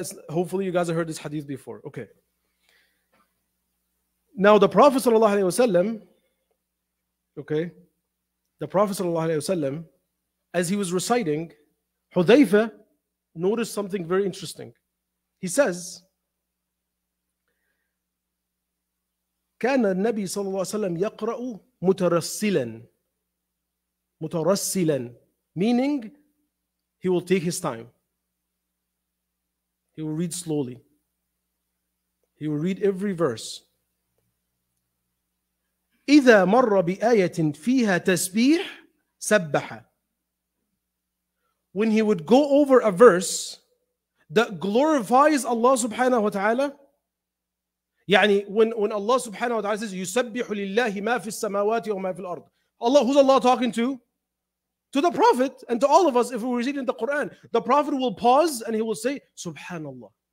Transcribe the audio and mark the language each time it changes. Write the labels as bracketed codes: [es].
[en] Hopefully you guys have heard this hadith before. Okay. Now the Prophet sallallahu alayhi wa sallam, okay, the Prophet ﷺ, as he was reciting, Hudhayfa notice something very interesting. He says, [ar] كان النبي صلى الله عليه وسلم يقرأ مترسلاً. [en] مترسلاً, meaning he will take his time. He will read slowly. He will read every verse. [ar] إذا مر بآية فيها تسبيح سبح. [en] When he would go over a verse that glorifies Allah subhanahu wa ta'ala, يعني when Allah subhanahu wa ta'ala says [ar] يُسَبِّحُ لِلَّهِ مَا فِي السَّمَاوَاتِ وَمَا فِي الْأَرْضِ, [en] Allah, who's Allah talking to? To the Prophet and to all of us if we read in the Quran. The Prophet will pause and he will say Subhanallah.